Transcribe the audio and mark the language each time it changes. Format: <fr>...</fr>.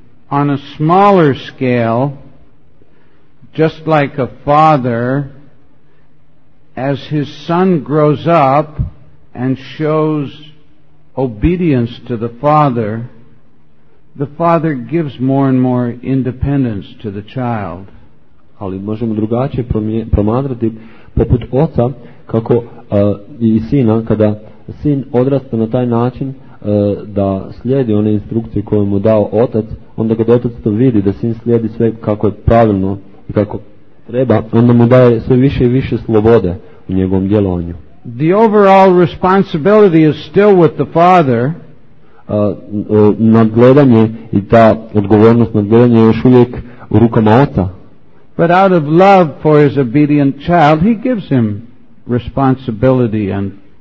<en>On a smaller scale, just like a father, as his son grows up and shows obedience to the father gives more and more independence to the child.</en> <hr>Ali možemo drugačije promatrati, poput oca, kako i sina, kada sin odrasta na taj način da slijedi one instrukcije koje mu dao otac, onda kad otac to vidi da sin slijedi sve kako je pravilno i kako treba, onda mu daje sve više i više slobode u njegovom djelovanju.</hr> <en>The overall responsibility is still with the father.</en> <hr>Nadgledanje i ta odgovornost nadgledanja je još uvijek u rukama oca.</hr> <en>But out of love for his obedient child, he gives him responsibility and</en>